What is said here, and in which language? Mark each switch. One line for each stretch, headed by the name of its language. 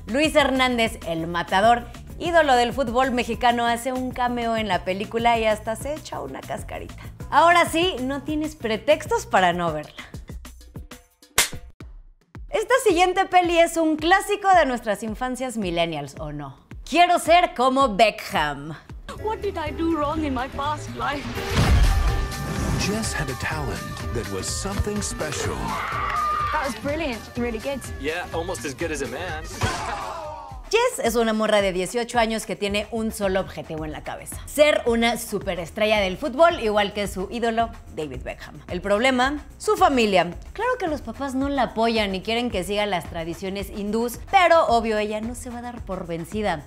Spanish: Luis Hernández, el matador, ídolo del fútbol mexicano, hace un cameo en la película y hasta se echa una cascarita. Ahora sí, no tienes pretextos para no verla. Esta siguiente peli es un clásico de nuestras infancias millennials, ¿o no? Quiero ser como Beckham.
English: What did I do wrong in my past life? Jess had a talent that was something special. That was brilliant, really good. Yeah, almost as good as a man.
Spanish: Jess es una morra de 18 años que tiene un solo objetivo en la cabeza: ser una superestrella del fútbol, igual que su ídolo, David Beckham. El problema, su familia. Claro que los papás no la apoyan y quieren que siga las tradiciones hindús, pero obvio, ella no se va a dar por vencida.